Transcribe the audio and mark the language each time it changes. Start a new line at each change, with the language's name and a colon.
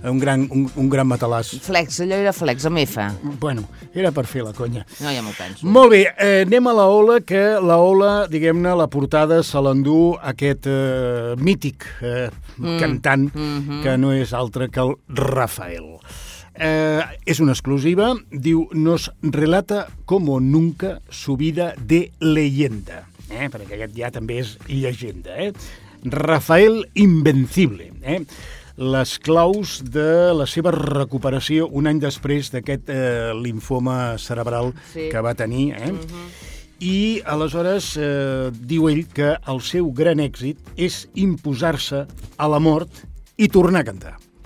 Catalan: Un gran matalàs. Flex, allò era Flex, amb F. Bueno, era per fer la conya. No, ja m'ho penso. Molt bé, anem a la Ola, que la Ola, diguem-ne, la portada se l'endú aquest mític cantant, que no és altre que el Rafael. És una exclusiva, diu,
Spanish: nos relata como nunca su vida de leyenda.
Catalan: Perquè aquest ja també és llegenda, Rafael Invencible, Les claus de la seva recuperació un any després d'aquest linfoma cerebral que va tenir, I aleshores diu ell que el seu gran èxit és imposar-se a la mort i tornar a cantar.